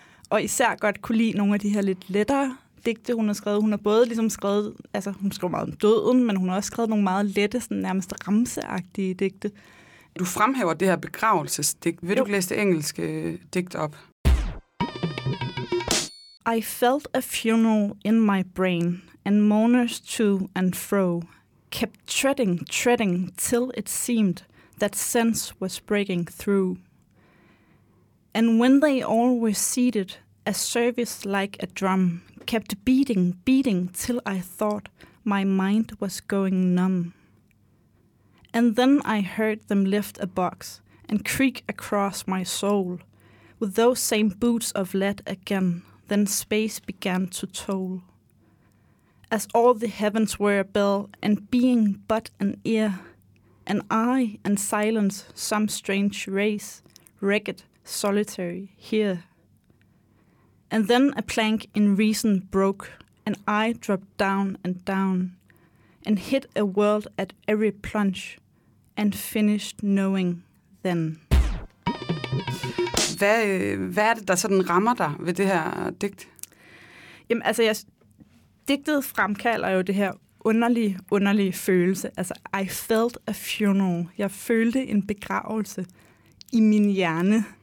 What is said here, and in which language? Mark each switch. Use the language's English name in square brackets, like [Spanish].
[Danish] Og især godt kunne lide nogle af de her lidt lettere digte, hun har skrevet. Hun har både ligesom skrevet, altså hun skriver meget om døden, men hun har også skrevet nogle meget lette, sådan nærmest ramseagtige digte. Du fremhæver det her begravelsesdigt. Vil du læse det engelske digt op? [English] I felt a funeral in my brain, and mourners to and fro. Kept treading, treading, till it seemed that sense was breaking through. And when they all were seated, a service like a drum kept beating, beating, till I thought my mind was going numb. And then I heard them lift a box and creak across my soul with those same boots of lead again, then space began to toll. As all the heavens were a bell, and being but an ear, an eye and silence, some strange race, ragged, solitary, here. And then a plank in reason broke, and I dropped down and down, and hit a world at every plunge, and finished knowing then. [Danish] Hvad er det, der sådan rammer dig ved det her digt? Jamen, altså, jeg... Digtet fremkalder jo det her underlige, underlige følelse. [English] Altså, I felt a funeral. [Danish] Jeg følte en begravelse i min hjerne.